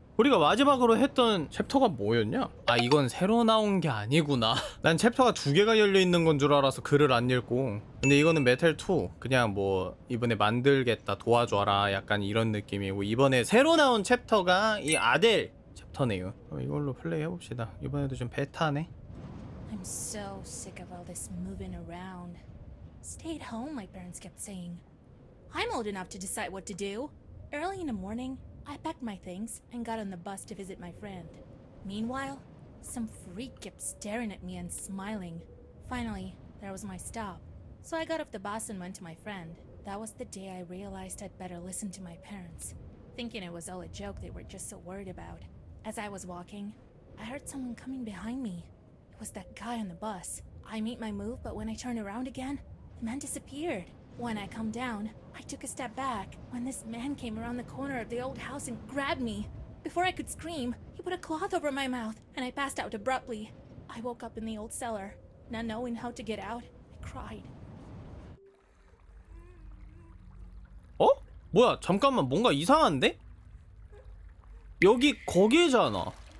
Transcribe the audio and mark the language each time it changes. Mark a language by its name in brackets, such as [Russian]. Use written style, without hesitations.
[Korean] 우리가 마지막으로 했던 챕터가 뭐였냐? 아 이건 새로 나온 게 아니구나. 난 챕터가 두 개가 열려있는 건 줄 알아서 글을 안 읽고. 근데 이거는 메탈2 그냥 뭐 이번에 만들겠다 도와줘라 약간 이런 느낌이고 이번에 새로 나온 챕터가 이 아델 챕터네요. 그럼 이걸로 플레이 해봅시다. 이번에도 좀 베타네. [English] I'm so sick of all this moving around. Stay at home, my parents kept saying. I'm old enough to decide what to do. Early in the morning, I packed my things and got on the bus to visit my friend. Meanwhile, some freak kept staring at me and smiling. Finally, there was my stop. So I got off the bus and went to my friend. That was the day I realized I'd better listen to my parents, thinking it was all a joke they were just so worried about. As I was walking, I heard someone coming behind me. It was that guy on the bus. I made my move, but when I turned around again, the man disappeared. When I come down, I took a step back when this man came around the corner of the old house and grabbed me. Before I could scream, he put a cloth over my mouth and I passed out abruptly. I woke up in the old cellar, not knowing how to get out. I cried. [Korean] 어? 뭐야, 잠깐만, 뭔가 이상한데? 여기 거기잖아.